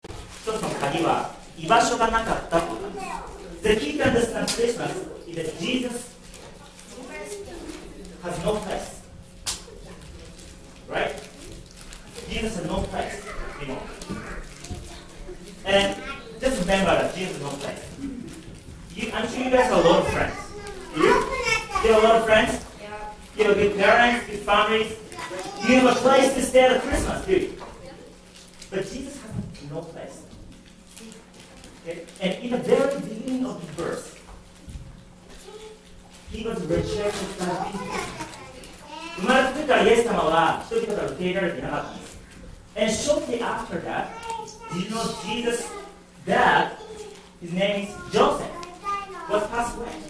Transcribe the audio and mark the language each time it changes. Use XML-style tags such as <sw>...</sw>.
<ja>には居場所がなかったことなんです。</ja> <en>The key to understand Christmas is that Jesus has no place. Right? Jesus has no place anymore. And just remember that Jesus has no place. I'm sure you guys have a lot of friends. You have a lot of friends? You have good parents, good families. You have a place to stay at Christmas, do you? But Jesus has no place. And in the very beginning of the verse, he was rejected by people.</en> <ja>生まれた時からイエス様は人々から受け入れられていなかったんです。</ja> <en>And shortly after that, did you know Jesus' dad, his name is Joseph, was passed away.</en>